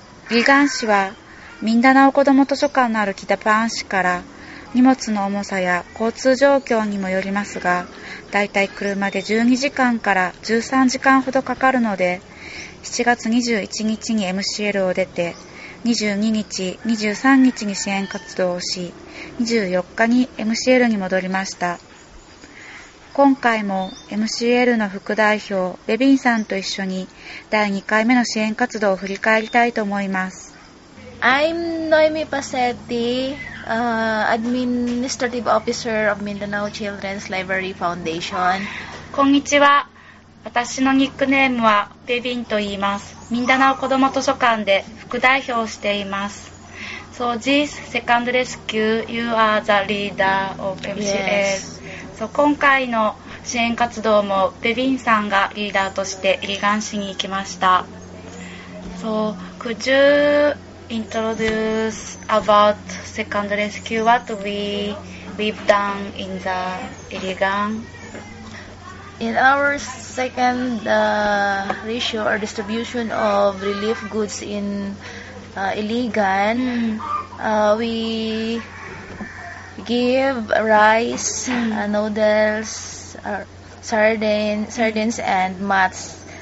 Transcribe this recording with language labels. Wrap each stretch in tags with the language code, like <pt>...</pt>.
<ja>リガン市は、ミンダナオ子ども図書館のあるキダパワン市から荷物の重さや交通状況にもよりますが、だいたい車で12時間から13時間ほどかかるので、7月21日に MCL を出て22日、23日に支援活動をし、24日に MCL に戻りました。今回も MCL の副代表ベビンさんと一緒に第2回目の支援活動を振り返りたいと思います。</ja> <en>I'm Noemi Pasetti, Administrative Officer of Mindanao Children's Library Foundation.</en> <ja>こんにちは。私のニックネームはベビンと言います。ミンダナオ子ども図書館で副代表をしています。</ja> <en>So this second rescue, you are the leader of MCL. Yes.</en> <ja>So 今回の支援活動もベビンさんがリーダーとしてリガン市に行きました。</ja> <en>So could you... introduce about second rescue, what we've done in the Irrigan. In our second rescue or distribution of relief goods in Irrigan, we give rice, noodles, sardines and mats.</en>